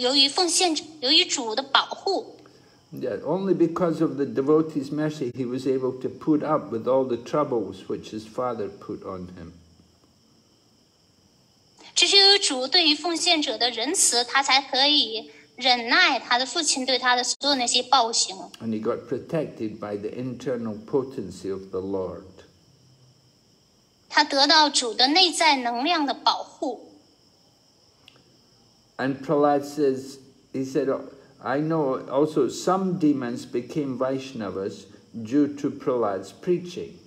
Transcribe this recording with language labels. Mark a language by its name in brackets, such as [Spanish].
[Chinese] 就是对他施以了暴行，但是他说他之所以能够承受呢，只是由于主，由于奉献，由于主的保护。Yeah, [English] only because of the devotee's mercy he was able to put up with all the troubles which his father put on him. [Chinese] 只是由于主对于奉献者的仁慈，他才可以 [English] And he got protected by the internal potency of the Lord. And Prahlad says, he said, I know also some demons became Vaishnavas due to Prahlad's preaching.